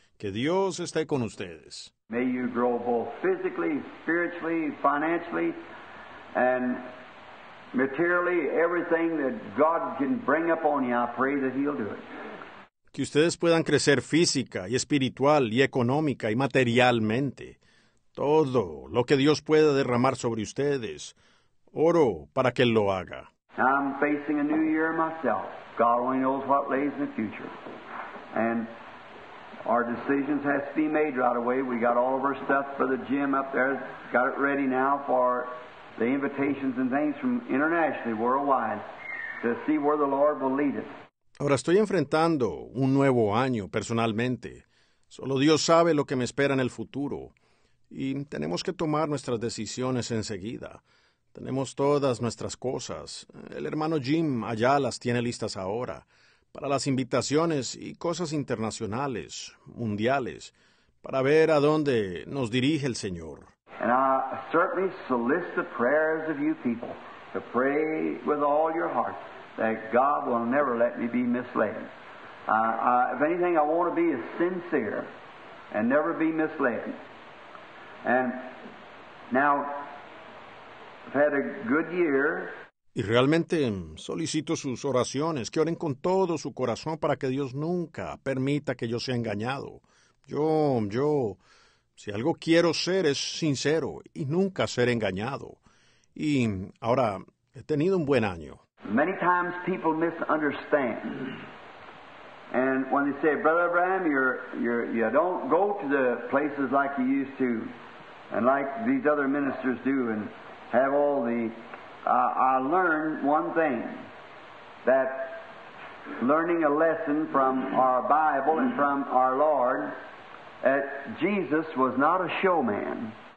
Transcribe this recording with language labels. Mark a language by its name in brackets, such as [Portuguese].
[Spanish] Que Dios esté con ustedes. [English] May you grow both physically, spiritually, financially, and materially, everything that God can bring up on you, I pray that He'll do it. [Spanish] Que ustedes puedan crecer física y espiritual y económica y materialmente. Todo lo que Dios pueda derramar sobre ustedes. Oro para que lo haga. [English] I'm facing a new year myself. God only knows what lays in the future. And our decisions have to be made right away. We got all of our stuff for the gym up there. Got it ready now for the invitations and things from internationally, worldwide, to see where the Lord will lead us. [Spanish] Ahora estoy enfrentando un nuevo año personalmente. Solo Dios sabe lo que me espera en el futuro. Y tenemos que tomar nuestras decisiones enseguida. Tenemos todas nuestras cosas. El hermano Jim allá las tiene listas ahora para las invitaciones y cosas internacionales, mundiales, para ver a dónde nos dirige el Señor. [English] And I certainly solicit the prayers of you people to pray with all your heart that God will never let me be misled. If anything, I want to be is sincere and never be misled. And now, I've had a good year. [Spanish] Y realmente solicito sus oraciones, que oren con todo su corazón para que Dios nunca permita que yo sea engañado. Yo, si algo quiero ser, es sincero y nunca ser engañado. Y ahora, he tenido un buen año. [English] Many times people misunderstand. And when they say, Brother Abraham, you don't go to the places like you used to, and like these other ministers do, and have all the... I learned one thing, that learning a lesson from our Bible and from our Lord, that Jesus was not a showman.